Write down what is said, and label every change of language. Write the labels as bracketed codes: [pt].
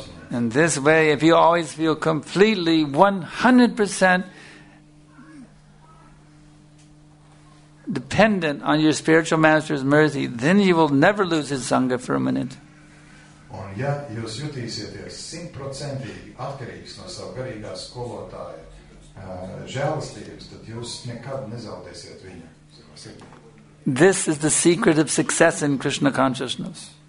[en] In this way, if you always feel completely 100% dependent on your spiritual master's mercy, then you will never lose his sangha for a minute. [lv] Un ja jūs jūtīsieties 100% atkarīgs no savu garīgā skolotāja žēlastības, tad jūs nekad nezaudēsiet viņu. [en] This is the secret of success in Krishna consciousness.